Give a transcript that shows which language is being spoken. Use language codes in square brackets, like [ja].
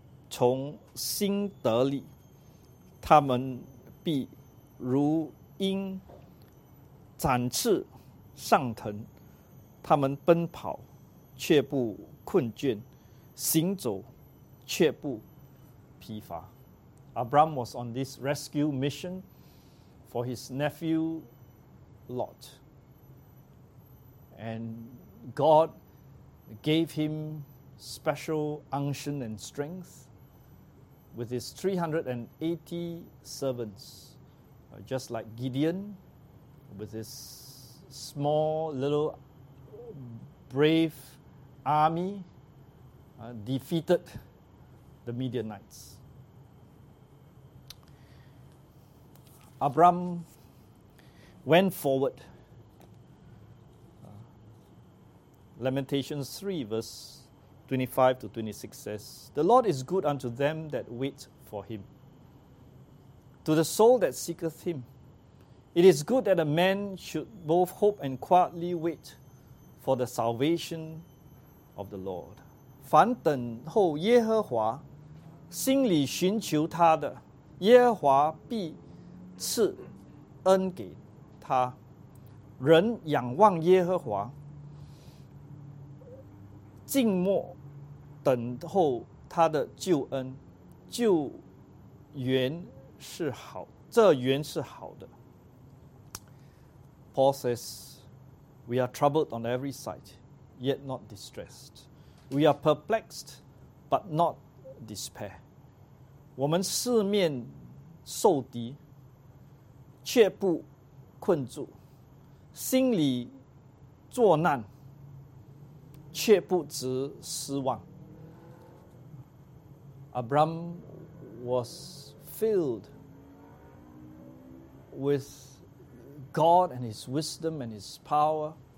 [zh] 从心得力，他们必如鹰展翅上腾，他们奔跑却不困倦，行走却不疲乏。 [en] Abram was on this rescue mission for his nephew Lot, and God gave him special unction and strength with his 380 servants, just like Gideon with his small little brave army defeated the Midianites. Abram went forward. Lamentations 3 verse 25 to 26 says, "The Lord is good unto them that wait for him, to the soul that seeketh him. It is good that a man should both hope and quietly wait for the salvation of the Lord. [zh] 凡等候耶和华，心里寻求他的，耶和华必赐恩给他。人仰望耶和华，静默等候他的救恩，救援是好，这缘是好的。 [en] Paul says, "We are troubled on every side, yet not distressed. We are perplexed, but not despair." [zh] 我们四面受敌，却不困住，心里作难，却不知失望。 [en] Abram was filled with God and his wisdom and his power.